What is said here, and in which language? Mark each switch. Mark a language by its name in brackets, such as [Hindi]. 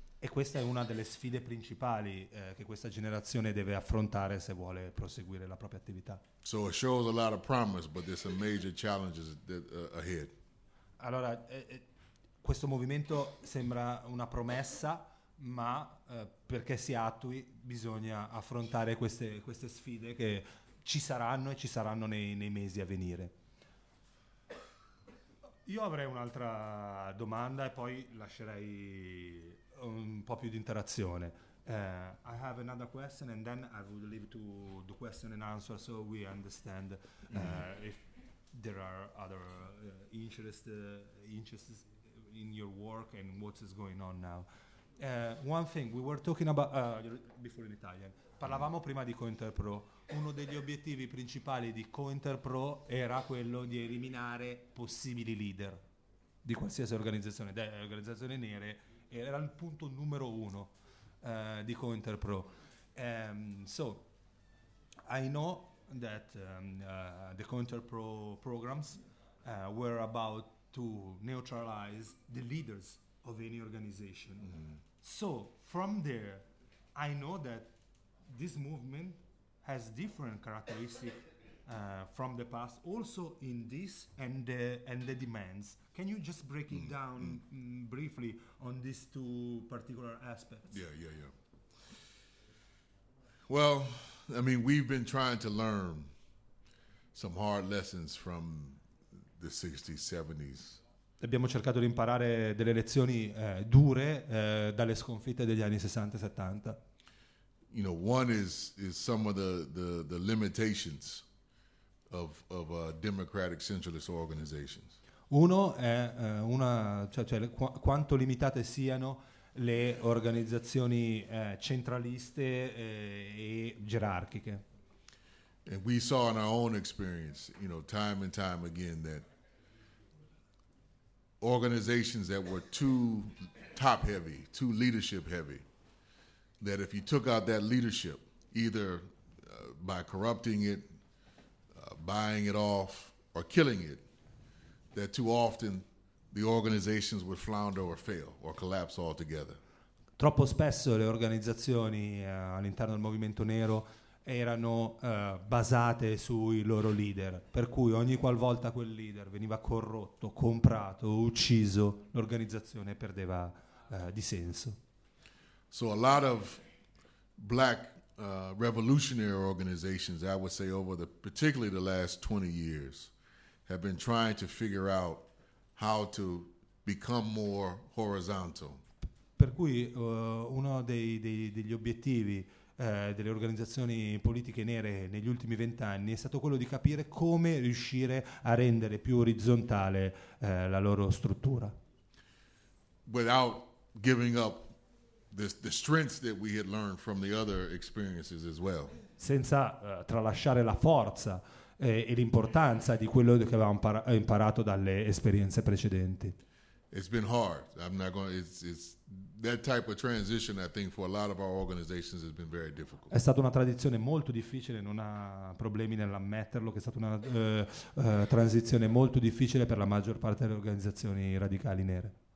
[Italian] E questa è una delle sfide principali che questa generazione deve affrontare se vuole proseguire la propria attività. [English] So it shows a lot of promise, but there's some major challenges that, ahead. [Italian] Allora, questo movimento sembra una promessa, ma perché si attui bisogna affrontare queste sfide che ci saranno e ci saranno nei mesi a venire. Io avrei un'altra domanda e poi lascerei un po' più di interazione. [English] I have another question and then I would leave to the question and answer so we understand if there are other interests in your work and what is going on now. One thing we were talking about before in Italian. [Italian] Parlavamo prima di COINTERPRO. Uno degli obiettivi principali di COINTERPRO era quello di eliminare possibili leader di qualsiasi organizzazione, delle organizzazioni nere. Era il punto numero uno di COINTERPRO. [English] So I know that the COINTERPRO programs were about to neutralize the leaders of any organization. Mm-hmm. So from there, I know that this movement has different characteristics from the past, also in this and the demands. Can you just break it down briefly on these two particular aspects? Yeah. Well, I mean, we've been trying to learn some hard lessons from the 60s, 70s. [Italian] Abbiamo cercato di imparare delle lezioni dure dalle sconfitte degli anni 60 e 70. [English] you know, one is some of the limitations of democratic centralist organizations. [Italian] Uno è una cioè quanto limitate siano le organizzazioni centraliste e gerarchiche. [English] And we saw in our own experience, you know, time and time again that organizations that were too top heavy, too leadership heavy, that if you took out that leadership, either by corrupting it, buying it off, or killing it, that too often the organizations would flounder or fail or collapse altogether. [Italian] Troppo spesso le organizzazioni all'interno del movimento nero erano basate sui loro leader, per cui ogni qualvolta quel leader veniva corrotto, comprato, ucciso, l'organizzazione perdeva di senso. [English] So a lot of black revolutionary organizations, I would say over the particularly the last 20 years, have been trying to figure out how to become more horizontal. [Italian] Per cui uno degli obiettivi delle organizzazioni politiche nere negli ultimi 20 anni è stato quello di capire come riuscire a rendere più orizzontale la loro struttura. [English] Without giving up the strengths that we had learned from the other experiences as well. [Italian] Senza tralasciare la forza e l'importanza di quello che avevamo imparato dalle esperienze precedenti. [English] It's been hard. It's that type of transition, I think, for a lot of our organizations has been very difficult. [Italian] È stata una transizione molto difficile, non ha problemi nell'ammetterlo, che è stata una transizione molto difficile per la maggior parte delle organizzazioni radicali nere.